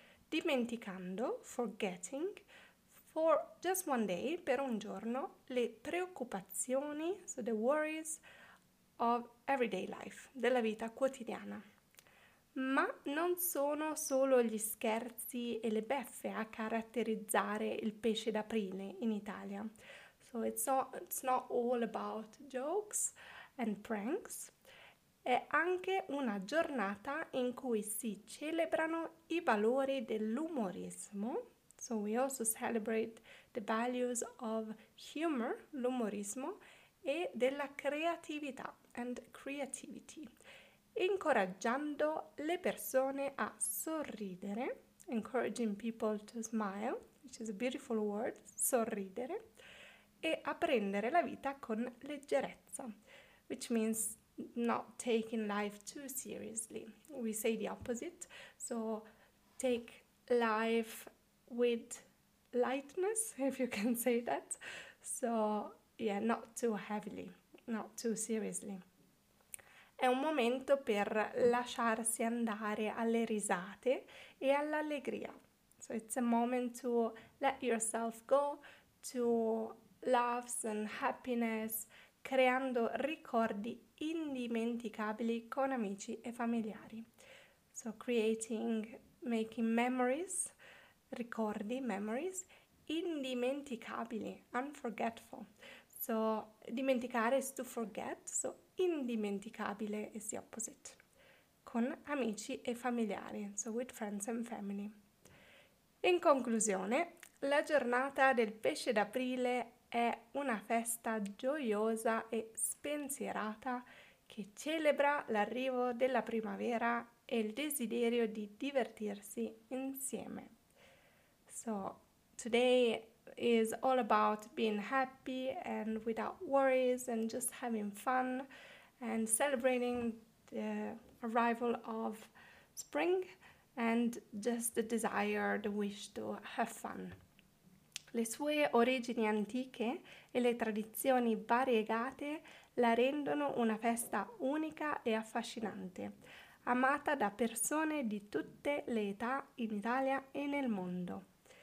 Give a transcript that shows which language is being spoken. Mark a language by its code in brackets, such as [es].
[it] Dimenticando, [en] forgetting, for just one day, [it] per un giorno, le preoccupazioni, [en] so the worries of everyday life, [it] della vita quotidiana. Ma non sono solo gli scherzi e le beffe a caratterizzare il pesce d'aprile in Italia. [en] So it's not all about jokes and pranks. [it] È anche una giornata in cui si celebrano i valori dell'umorismo. [en] So we also celebrate the values of humor, [it] l'umorismo, e della creatività, [en] and creativity, [it] incoraggiando le persone a sorridere, [en] encouraging people to smile, which is a beautiful word, [it] sorridere, e a prendere la vita con leggerezza, [en] which means not taking life too seriously. We say the opposite, so take life with lightness, if you can say that, so yeah, not too heavily, not too seriously. [it] È un momento per lasciarsi andare alle risate e all'allegria. [en] So it's a moment to let yourself go to laughs and happiness, [it] creando ricordi indimenticabili con amici e familiari. [en] So creating, making memories, [it] ricordi, [en] memories, [it] indimenticabili, [en] unforgettable. So dimenticare is to forget, so indimenticabile is the opposite. [it] Con amici e familiari, [en] so with friends and family. [it] In conclusione, la giornata del pesce d'aprile è una festa gioiosa e spensierata che celebra l'arrivo della primavera e il desiderio di divertirsi insieme. [en] So, today is all about being happy and without worries and just having fun and celebrating the arrival of spring and just the desire, the wish to have fun. [it] Le sue origini antiche e le tradizioni variegate la rendono una festa unica e affascinante, amata da persone di tutte le età in Italia e nel mondo.